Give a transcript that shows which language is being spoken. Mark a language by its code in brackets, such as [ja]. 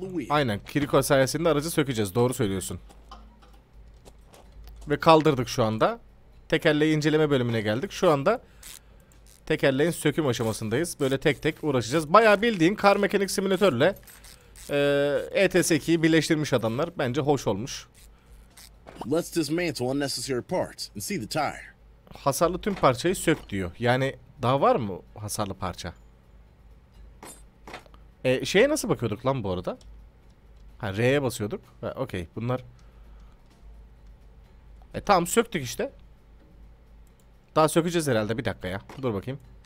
[tr] Aynen. Kiriko sayesinde aracı sökeceğiz. Doğru söylüyorsun. Ve kaldırdık şu anda. Tekerleği inceleme bölümüne geldik. Şu anda... Tekerleğin söküm aşamasındayız. Böyle tek tek uğraşacağız. Bayağı bildiğin kar mekanik simülatörle ETS2'yi birleştirmiş adamlar. Bence hoş olmuş. [en] Let's dismantle unnecessary parts and see the tire. [tr] Hasarlı tüm parçayı sök diyor. Yani daha var mı hasarlı parça? Şeye nasıl bakıyorduk lan bu arada? Ha, R'ye basıyorduk. Okey, bunlar... tamam, söktük işte. Daha sökeceğiz herhalde, bir dakika ya. Dur bakayım.